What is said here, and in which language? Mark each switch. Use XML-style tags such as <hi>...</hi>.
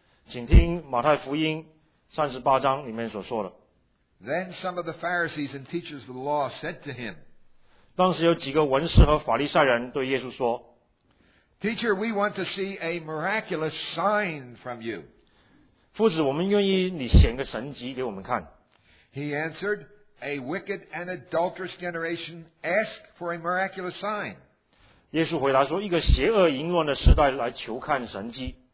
<zh>请听马太福音 38章里面所说的,</zh> <en>Then some of the Pharisees and teachers of the law said to Him,</en> <zh>当时有几个文士和法利赛人对耶稣说,</zh> <en>Teacher, we want to see a miraculous sign from you.</en> <zh>夫子，我们愿意你显个神迹给我们看。</zh> <en>He answered, A wicked and adulterous generation ask for a miraculous sign.</en> <zh>耶稣回答说，一个邪恶淫乱的时代来求看神迹。</zh>